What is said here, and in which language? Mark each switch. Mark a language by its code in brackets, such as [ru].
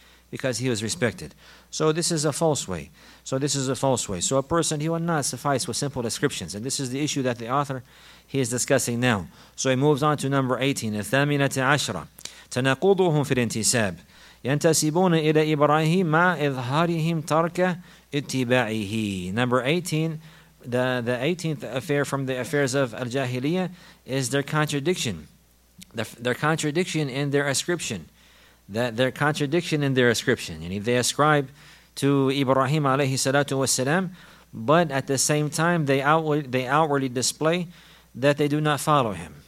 [en] Because he was respected. So this is a false way. So a person, he will not suffice with simple descriptions. And this is the issue that the author, he is discussing now. So he moves on to number 18. [ar] الثامنة عشرة تناقضهم في الانتساب ينتسبون إلى إبراهيم مع إظهارهم ترك اتباعه. [en] Number 18. The 18th affair from the affairs of Al-Jahiliyyah is their contradiction their contradiction in their ascription, that their contradiction in their ascription. And if they ascribe to Ibrahim alayhi salatu wasalam, but at the same time they outwardly display that they do not follow him.